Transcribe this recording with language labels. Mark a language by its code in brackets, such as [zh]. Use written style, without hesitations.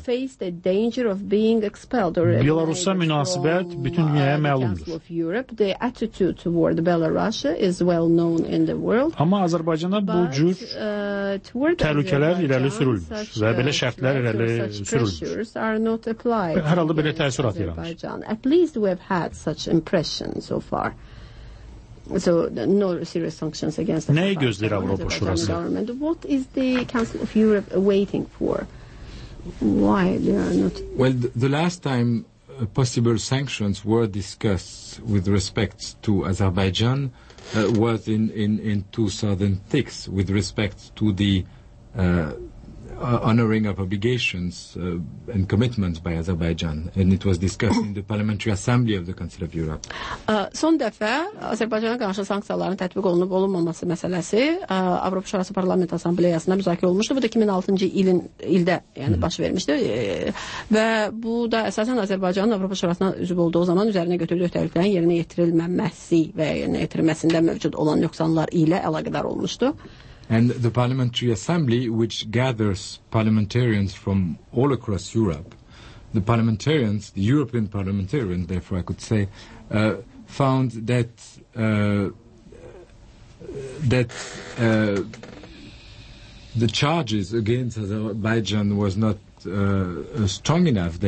[az] Belarusa münasibət bütün dünyaya məlumdur. Amma Azərbaycanda bu cür təhlükələr irəli sürülmüş və belə şərtlər irəli sürülmüş. Hər halda belə təəssürat yaranmış. [en] At least we have had such impression so far. So no serious sanctions against the Azerbaijani government. What is the Council of Europe waiting for? Why they are not? Well, the last time possible sanctions were discussed with respect to Azerbaijan was in 2006 with respect to the honoring of obligations and commitments by Azerbaijan, and it was discussed in the Parliamentary Assembly of the Council of Europe. [az] Son dəfə Azərbaycana qarşı sanksiyaların tətbiq olunub olunmaması məsələsi Avropa Şurası Parlament Assambleyasında müzakirə olmuşdu. Bu da 2006-cı ildə yəni baş vermişdi. Və bu da əsasən Azərbaycanın Avropa Şurasına üzv olduğu zaman üzərinə götürdüyü öhdəliklərin yerinə yetirilməməsi və yerinə yetirilməsində mövcud olan nöqsanlar ilə əlaqədar olmuşdu. [en] And the Parliamentary Assembly, which gathers parliamentarians from all across Europe, the parliamentarians, the European parliamentarians, therefore I could say, found that the charges against Azerbaijan was not strong enough.